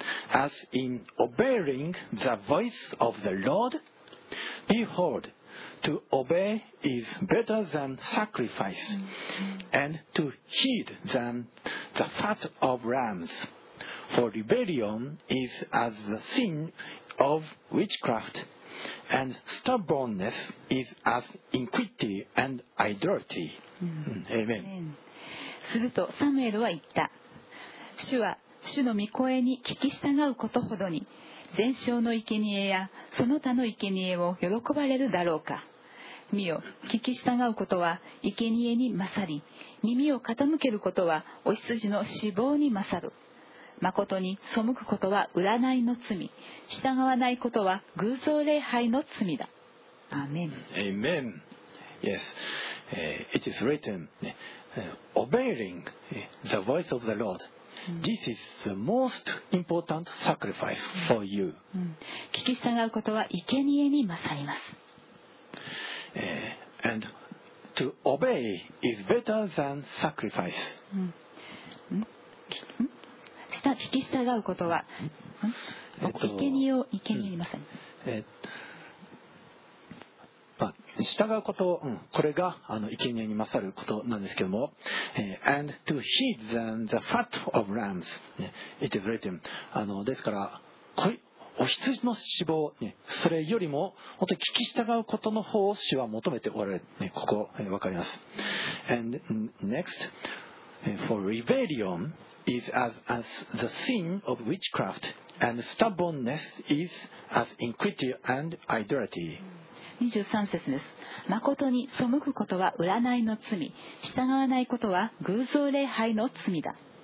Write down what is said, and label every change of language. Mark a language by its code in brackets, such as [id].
[en] As in obeying the voice of the Lord, behold, to obey is better than sacrifice, and to heed than the fat of rams. For rebellion is as the sin of witchcraft, and stubbornness is as iniquity and idolatry. Amen. [ja] するとサムエルは言った。主は主の御声に聞き従うことほどに、全焼の生贄やその他の生贄を喜ばれるだろうか。見よ、聞き従うことは生贄に勝り、耳を傾けることはお羊の脂肪に勝る。誠に背くことは占いの罪、従わないことは偶像礼拝の罪だ。アーメン。 [en] Amen. Yes. It is written, obeying the voice of the Lord. This is the most important sacrifice for you. [ja] 聞き従うことは生贄に勝ります。 [en] And to obey is better than sacrifice. [ja] 聞き従うことは生贄を生贄に勝ります。従うこと、これが生贄に勝ることなんですけども、 [en] and to heed than the fat of rams, it is written, [ja] ですから、お羊の死亡、ね、それよりも本当に聞き従うことの方を主は求めておられる、ね、ここ、分かります。 [en] And next, for rebellion is as the sin of witchcraft, and stubbornness is as iniquity and idolatry. [ja] 23節です。誠に背くことは占いの罪、従わないことは偶像礼拝の罪だ。